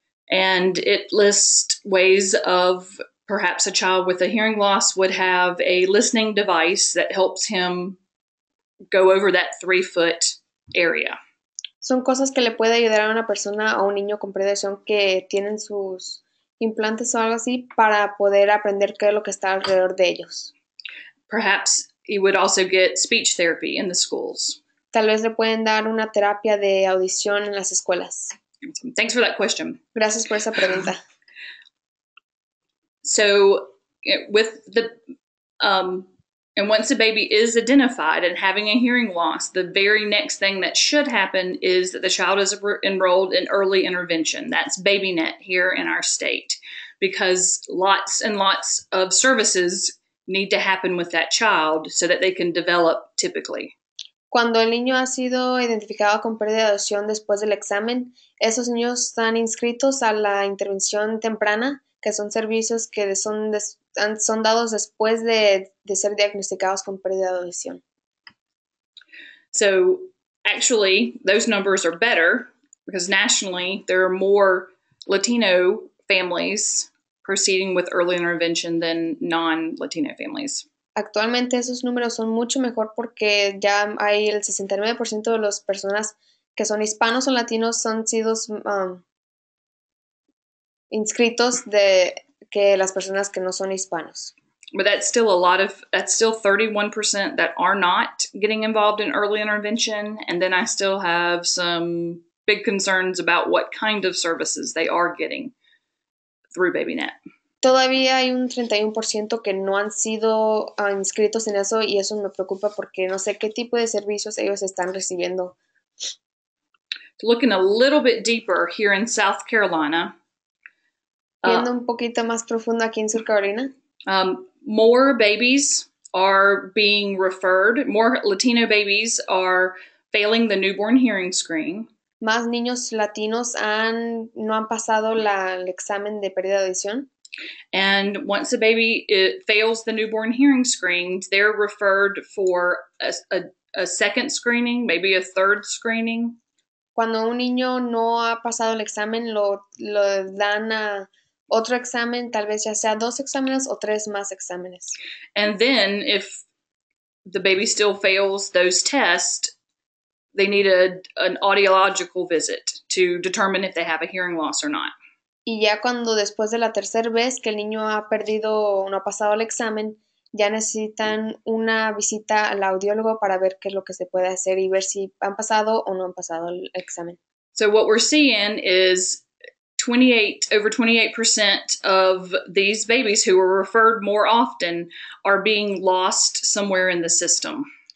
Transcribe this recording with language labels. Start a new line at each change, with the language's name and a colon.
English: And it lists ways of perhaps a child with a hearing loss would have a listening device that helps him go over that 3-foot area.
Spanish: Son cosas que le puede ayudar a una persona o un niño con pérdida de audición que tienen sus implantes o algo así para poder aprender qué es lo que está alrededor de ellos.
English: Perhaps he would also get speech therapy in the schools.
Spanish: Tal vez le pueden dar una terapia de audición en las escuelas.
English: Thanks for that question.
Spanish: Gracias por esa pregunta.
English: So, with the and once the baby is identified and having a hearing loss, the very next thing that should happen is that the child is enrolled in early intervention. That's BabyNet here in our state, because lots and lots of services need to happen with that child so that they can develop typically.
Spanish: Cuando el niño ha sido identificado con pérdida de audición después del examen, esos niños están inscritos a la intervención temprana, que son servicios que son dados después de ser diagnosticados con pérdida de audición.
English: So, actually, those numbers are better because nationally there are more Latino families proceeding with early intervention than non-Latino families.
Spanish: Actualmente esos números son mucho mejor porque ya hay el 69% de las personas que son hispanos o latinos han sido inscritos de que las personas que no son hispanos.
English: But that's still a lot of, that's still 31% that are not getting involved in early intervention, and then I still have some big concerns about what kind of services they are getting through BabyNet.
Spanish: Todavía hay un 31% que no han sido inscritos en eso, y eso me preocupa porque no sé qué tipo de servicios ellos están recibiendo.
English: Looking a little bit deeper here in South Carolina.
Spanish: Viendo un poquito más profundo aquí en Sur Carolina.
English: More babies are being referred. More Latino babies are failing the newborn hearing screen.
Spanish: Más niños latinos no han pasado el examen de pérdida de audición.
English: And once a baby fails the newborn hearing screen, they're referred for a second screening, maybe a third screening.
Spanish: Cuando un niño no ha pasado el examen, lo dan a otro examen, tal vez ya sea dos exámenes o tres más exámenes.
English: And then if the baby still fails those tests, they need an audiological visit to determine if they have a hearing loss or not.
Spanish: Y ya cuando después de la tercera vez que el niño ha perdido o no ha pasado el examen, ya necesitan una visita al audiólogo para ver qué es lo que se puede hacer y ver si han pasado o no han pasado el examen.
English: So what we're seeing is over 28% of these babies who were referred more often are being lost somewhere in the system.